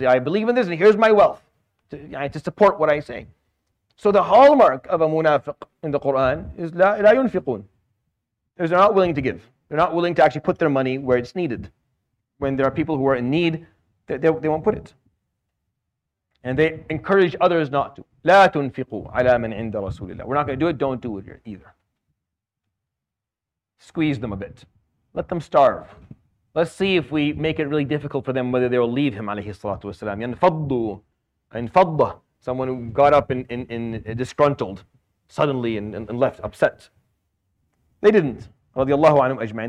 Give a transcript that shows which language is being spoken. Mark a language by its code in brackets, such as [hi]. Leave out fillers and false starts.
[en] I believe in this and here's my wealth to support what I say. So the hallmark of a munafiq in the Quran is [ar] لا ينفقون. [en] They're not willing to give. They're not willing to actually put their money where it's needed. When there are people who are in need, they won't put it. And they encourage others not to. [ar] لا تنفقوا على من عند رسول الله. [en] We're not going to do it, don't do it either. Squeeze them a bit. Let them starve. Let's see if we make it really difficult for them whether they will leave him alayhi salatu wasalam. [ar] ينفضوا انفضة. [en] Someone who got up in disgruntled suddenly and left upset. They didn't. Radiallahu anhum ajma'in.